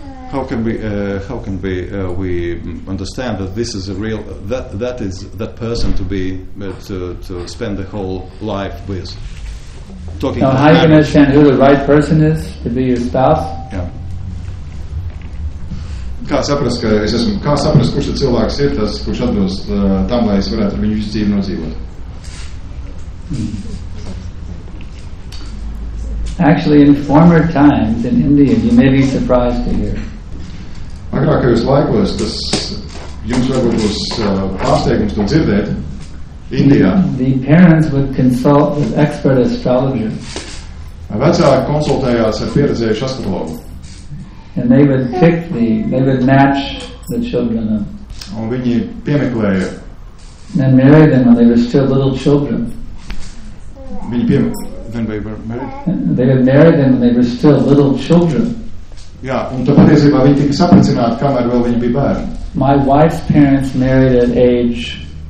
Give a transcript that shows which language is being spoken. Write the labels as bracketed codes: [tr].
[en] How can we understand that this is a real that is that person to be to spend the whole life with? Talking now, how do you understand who the right person is to be your spouse? Yeah. [lv] Kā saprast, ka es esmu, kā saprast, kurš cilvēks ir tas, kurš atbilst tam, lai es varētu ar viņu visu dzīvi nodzīvot? [en] Actually, in former times in India, you may be surprised to hear. [lv] Agrākajos laikos, tas jums varbūt būs pārsteigums to dzirdēt. Indijā. [en] The parents would consult with expert astrologers. [lv] Vecāki konsultējās ar pieredzējušu astrologu. [en] And they would match the children up. [lv] Un viņi piemeklēja. [en] And married them when they were still little children. [lv] Viņi piemeklēja. [en] Then they were married. They would marry them when they were still little children. [lv] Jā, un tā patiesībā viņi tika sapricināti, kamēr vēl viņi bija bērni. [en] My wife's parents married at age.